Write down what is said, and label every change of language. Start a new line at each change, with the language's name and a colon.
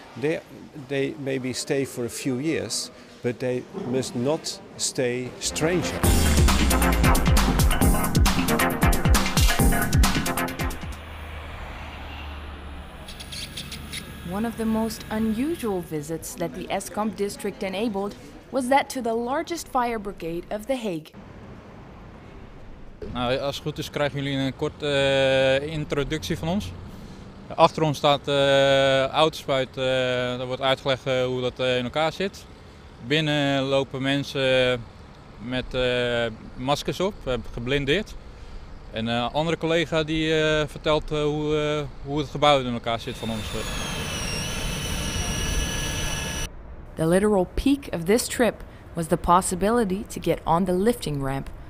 English: They maybe stay for a few years, but they must not stay stranger. One of the most unusual visits that the ESCOMP district enabled was that to the largest fire brigade of The Hague.
Dutch: Nou, als het goed is, krijgen jullie een korte introductie van ons. Achter ons staat de autospuit, daar wordt uitgelegd hoe dat in elkaar zit. Binnen lopen mensen met maskers op, geblindeerd. En een andere collega die vertelt hoe het gebouw in elkaar zit van ons.
English: The literal peak of this trip was the possibility to get on the lifting ramp.